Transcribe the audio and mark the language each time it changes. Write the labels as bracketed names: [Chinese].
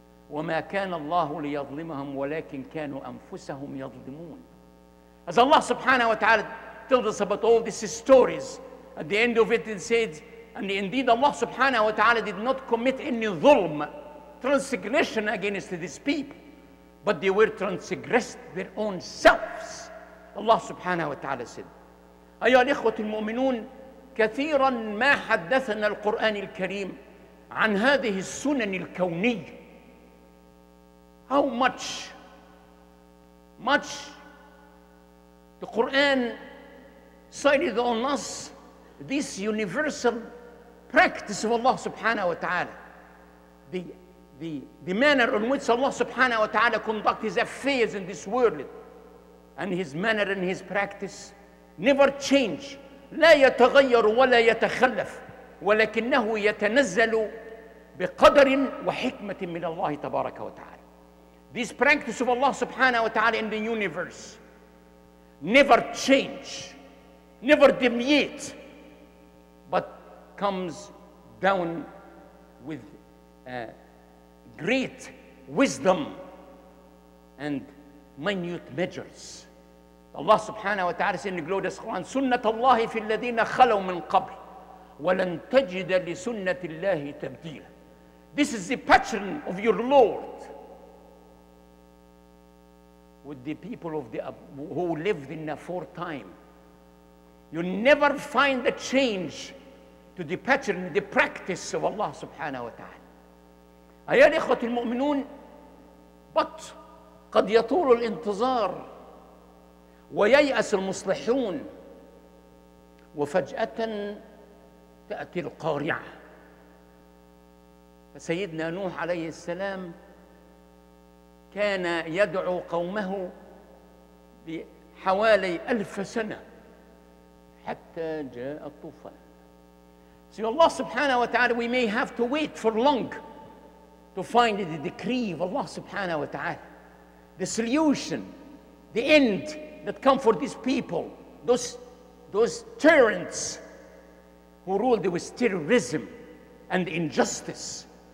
[Arabic] وَمَا كَانَ اللَّهُ لِيَظْلِمَهُمْ وَلَكِنْ كَانُوا أَنفُسَهُمْ يَظْلِمُونَ. [English] As Allah subhanahu wa ta'ala tells us about all these stories, at the end of it, it says, and indeed Allah subhanahu wa ta'ala did not commit any dhulm, transgression against these people, but they were transgressed their own selves. Allah subhanahu wa ta'ala said, [Arabic] أيها الإخوة المؤمنون, كثيرا ما حدثنا القرآن الكريم عن هذه السنن الكونية. [English] How much the Quran cited on us this universal practice of Allah subhanahu wa ta'ala. The manner in which Allah subhanahu wa ta'ala conduct his affairs in this world and his manner and his practice never change. [Arabic] لا يتغير ولا يتخلف ولكنه يتنزل بقدر وحكمة من الله تبارك وتعالى. [English] This practice of Allah subhanahu wa ta'ala in the universe never change, never deviate, but comes down with great wisdom and minute measures. Allah subhanahu wa ta'ala says in the glorious Quran, [Arabic] سُنَّةَ اللَّهِ فِي الَّذِينَ خَلَوْا مِنْ قَبْلِ وَلَنْ تَجِدَ لِسُنَّةِ اللَّهِ تَبْدِيلًا. [English] This is the pattern of your Lord with the people of the who lived in aforetime. You never find a change to the pattern, the practice of Allah subhanahu wa ta'ala. [Arabic] أيها الإخوة المؤمنون, [English] but [Arabic] قد يطول الانتظار وييأس المصلحون وفجأة تأتي القارعة. فسيدنا نوح عليه السلام كان يدعو قومه بحوالي 1000 سنة حتى جاء الطوفان. [English] See, Allah subhanahu wa ta'ala, we may have to wait for long to find the decree of Allah subhanahu wa ta'ala, the solution, the end that come for these people, those tyrants who ruled with terrorism and injustice.